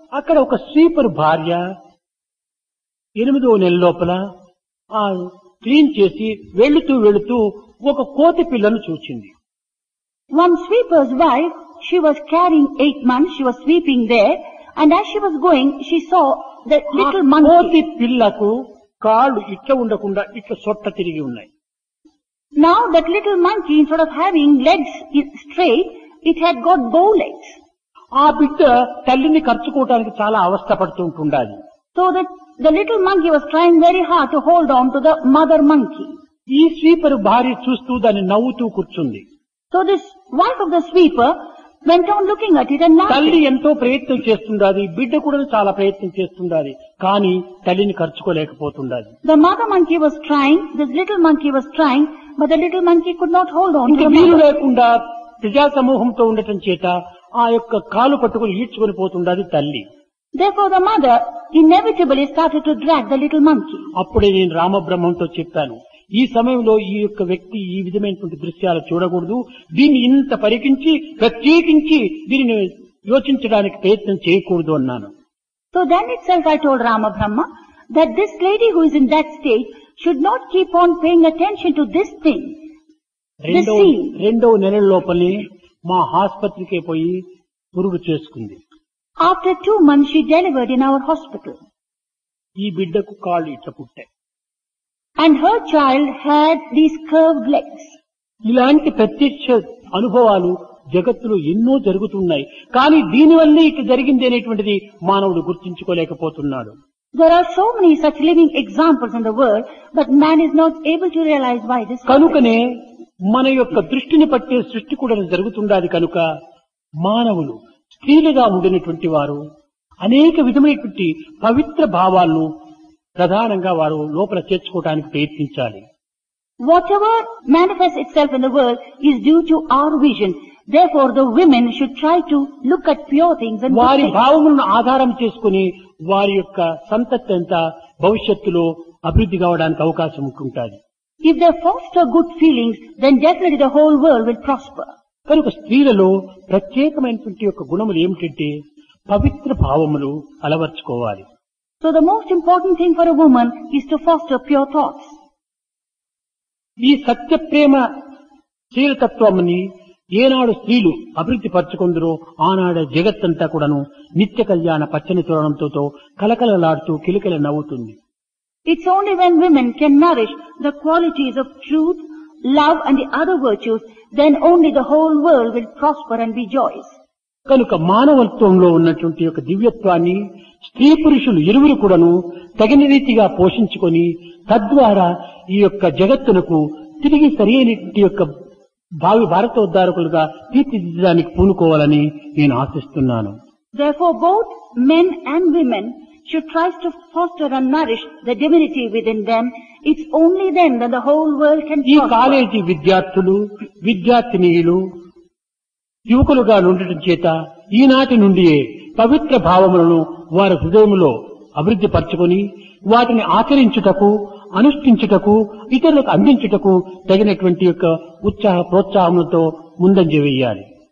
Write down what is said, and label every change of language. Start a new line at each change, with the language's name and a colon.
Telugu: అక్కడ ఒక స్వీపర్ భార్య 8వ నెల లోపల ఆ క్లీన్ చేసి వెళుతూ వెళుతూ ఒక కోతి పిల్లను చూచింది.
English: One sweeper's wife she was carrying 8 months, she was sweeping there and as she was going she saw the little monkey.
Telugu: కోతి పిల్లకు కాళ్ళు ఇట్ల ఉండకుండా ఇట్ల సొట్ట తిరిగి ఉన్నాయి.
English: Now that little monkey, instead of having legs straight, it had got bow legs.
Telugu: ఆ బిడ్డ తల్లిని కరుచుకోవడానికి చాలా అవస్థపడుతూ ఉంటుండాలి.
English: So that the little monkey was trying very hard to hold on to the mother monkey.
Telugu: ఈ స్వీపర్ భార్య చూస్తూ దాన్ని నవ్వుతూ కూర్చుంది.
English: So this wife of the sweeper went on looking at it and laughing.
Telugu: తల్లి ఎంతో ప్రయత్నం చేస్తుండాలి, బిడ్డ కూడా చాలా ప్రయత్నం చేస్తుండాలి, కానీ తల్లిని కరుచుకోలేకపోతుండాలి.
English: The mother monkey was trying, this little monkey was trying, but the little monkey could not hold on.
Telugu: వీలు లేకుండా ప్రజా సమూహంతో ఉండటం చేత ఆ యొక్క కాలు పట్టుకుని ఈడ్చుకుని పోతుండాలి తల్లి.
English: Therefore the mother inevitably started to drag the little monkey.
Telugu: అప్పుడే నేను రామబ్రహ్మంతో చెప్పాను, ఈ సమయంలో ఈ యొక్క వ్యక్తి ఈ విధమైనటువంటి దృశ్యాలు చూడకూడదు, దీన్ని ఇంత పరికించి ప్రత్యేకించి దీనిని యోచించడానికి ప్రయత్నం చేయకూడదు అన్నాను.
English: So than it self I told Ramabrahma that this lady who is in that stage should not keep on paying attention to this thing.
Telugu: 2 నెలల లోపలి మా ఆసుపత్రికే పోయి పురుగు చేసుకుంది.
English: After 2 months she delivered in our hospital.
Telugu: ఈ బిడ్డకు కాళ్ళు ఇట్లా పుట్టాయి.
English: And her child had these curved legs.
Telugu: ఇలాంటి ప్రత్యక్ష అనుభవాలు జగత్తులో ఎన్నో జరుగుతున్నాయి, కానీ దీని వల్ల ఇట్లా జరిగింది అనేటువంటిది మానవుడు గుర్తించుకోలేకపోతున్నాడు.
English: There are so many such living examples in the world, but man is not able to realize why this.
Telugu: కనుకనే మన యొక్క దృష్టిని పట్టే సృష్టి కూడా జరుగుతుండాలి. కనుక మానవులు స్త్రీలుగా ఉండినటువంటి వారు అనేక విధమైనటువంటి పవిత్ర భావాలను ప్రధానంగా వారు లోపల చేర్చుకోవడానికి ప్రయత్నించాలి.
English: Whatever manifest itself in the world is due to our vision. Therefore the women should try to look at pure things.
Telugu: వారి భావములను ఆధారం చేసుకుని వారి యొక్క సంతతి అంతా భవిష్యత్తులో అభివృద్ధి కావడానికి అవకాశం ఉంటుంటుంది.
English: If they foster good feelings then definitely the whole world will prosper.
Telugu: కనుక స్త్రీలలో ప్రత్యేకమైనటువంటి యొక్క గుణములు ఏమిటంటే పవిత్ర భావములు అలవర్చుకోవాలి.
English: So the most important thing for a woman is to foster pure thoughts.
Telugu: ఈ సత్య ప్రేమ స్త్రీల తత్వమని ఏనాడు స్త్రీలు అభివృద్ధి పరచుకుందరో ఆనాడు జగత్తంతా కూడాను నిత్య కళ్యాణ పచ్చని తోరణంతో కలకలలాడుతూ కిలకల నవ్వుతుంది.
English: It's only when women can nourish the qualities of truth, love and the other virtues, then only the whole world will prosper and be joyous.
Telugu: కనుక మానవత్వంలో ఉన్నటువంటి యొక్క దివ్యత్వాన్ని స్త్రీ పురుషులు ఇరువురు కూడాను తగిన రీతిగా పోషించుకుని తద్వారా ఈ యొక్క జగత్తునకు తిరిగి సరైన యొక్క భావి భారత ఉద్దారకులుగా తీర్చిదిద్దడానికి పూనుకోవాలని నేను ఆశిస్తున్నాను.
English: Therefore both men and women she tries to foster and nourish the divinity within them, it's only then that the whole world can prosper.
Telugu: ఈ కాలేజీ విద్యార్థులు విద్యార్థినీయులు యువకులుగా ఉండటం చేత ఈనాటి నుండి పవిత్ర భావములను వారి హృదయంలో అభివృద్ధి పరచుకుని వాటిని ఆచరించుటకు అనుష్ఠించుటకు ఇతరులకు అందించుటకు తగినటువంటి యొక్క ఉత్సాహ ప్రోత్సాహములతో ముందంజ వేయాలి.